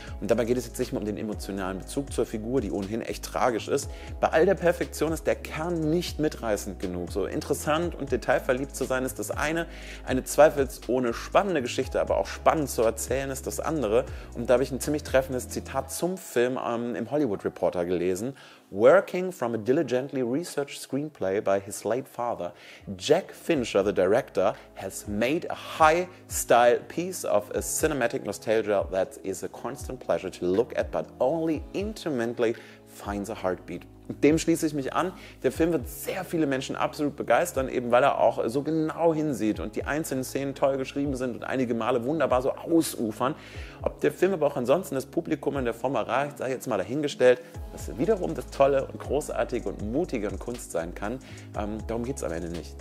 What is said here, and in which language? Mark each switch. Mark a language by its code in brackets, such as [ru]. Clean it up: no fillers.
[de] Und dabei geht es jetzt nicht mehr um den emotionalen Bezug zur Figur, die ohnehin echt tragisch ist. Bei all der Perfektion ist der Kern nicht mitreißend genug. So interessant und detailverliebt zu sein ist das eine zweifelsohne spannende Geschichte, aber auch spannend zu erzählen ist das andere. Und da habe ich ein ziemlich treffendes Zitat zum Film im Hollywood Reporter gelesen. [en] Working from a diligently researched screenplay by his late father, Jack Fincher, the director, has made a high-style piece of a cinematic nostalgia that is a constant pleasure to look at, but only intermittently finds a heartbeat. [de] Dem schließe ich mich an. Der Film wird sehr viele Menschen absolut begeistern, eben weil er auch so genau hinsieht und die einzelnen Szenen toll geschrieben sind und einige Male wunderbar so ausufern. Ob der Film aber auch ansonsten das Publikum in der Form erreicht, sei jetzt mal dahingestellt, was wiederum das Tolle und Großartige und Mutige an Kunst sein kann. Darum geht es am Ende nicht.